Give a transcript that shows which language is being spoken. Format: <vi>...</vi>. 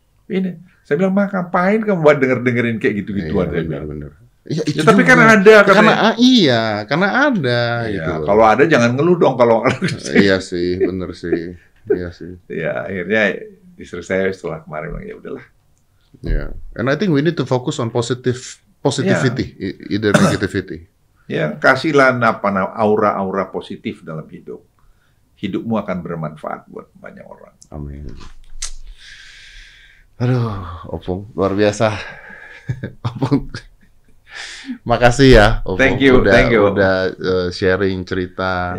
<id>Ini, saya bilang, Mak, ngapain kamu buat denger-dengerin kayak gitu-gituan? Iya, benar-benar. Ya, ya, tapi kan ada. Karena ada. Iya, gitu. Kalau ada jangan ngeluh dong. Kalau iya sih, benar sih. Iya sih. Ya, akhirnya istri saya setelah kemarin bilang, ya udahlah.</id> <en>Yeah. And I think we need to focus on positivity, yeah, either negativity.</en> <id>Ya, kasihlah aura-aura positif dalam hidup. Hidupmu akan bermanfaat buat banyak orang. Amin. Aduh, Opung, luar biasa. Opung, makasih ya, Opung.</id> <en>Thank you,</en> <id>udah,</id> <en>thank you.</en> <id>Udah sharing cerita.</id>